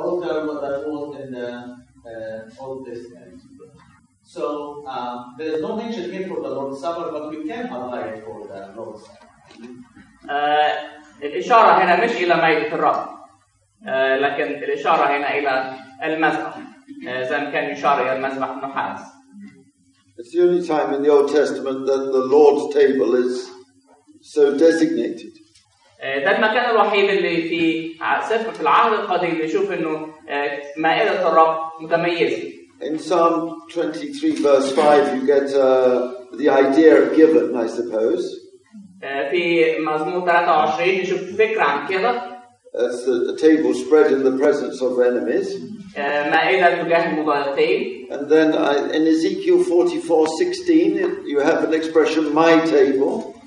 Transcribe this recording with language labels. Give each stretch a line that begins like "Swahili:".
English: altar that was in the Old Testament. So there is no mention here for the Lord's Supper, but we can apply it for the Lord's Supper.
Arabic: الإشارة هنا مش إلى مائدة الرب، لكن الإشارة هنا إلى المذبح، زي ما كان يشار إلى المذبح النحاس.
English: It's the only time in the Old Testament that the Lord's table is so designated.
Arabic: ده المكان الوحيد اللي في سفر في العهد القديم نشوف انه مائدة الرب متميزة.
English: In Psalm 23 verse 5 you get the idea of giving, I suppose.
Arabic: في مزمور 23 نشوف فكرة عن كده.
English: That's the table spread in the presence of enemies.
Arabic: مائدة تجاه المضايقين.
English: And then in Ezekiel 44:16 you have an expression my table.